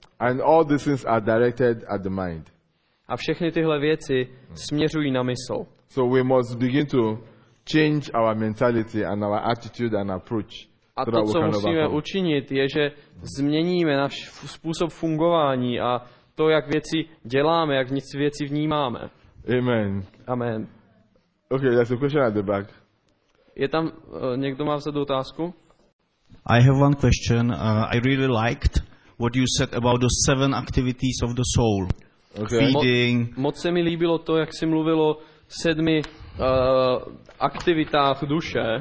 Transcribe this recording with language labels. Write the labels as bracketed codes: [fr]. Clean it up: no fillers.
[en] And all these things are directed at the mind. [cs] A všechny tyhle věci směřují na mysl. [en] So we must begin to change our mentality and our attitude and approach. [cs] A to, co musíme učinit, je, že změníme náš způsob fungování a to, jak věci děláme, jak nic věci vnímáme. [en] Amen. Amen. Okay, there's a question at the back. [cs] Je tam někdo má vzadu otázku? [en] I have one question. I really liked what you said about the seven activities of the soul. Okay. Feeding. [cs] Moc se mi líbilo to, jak jsi mluvil o sedmi aktivitách duše.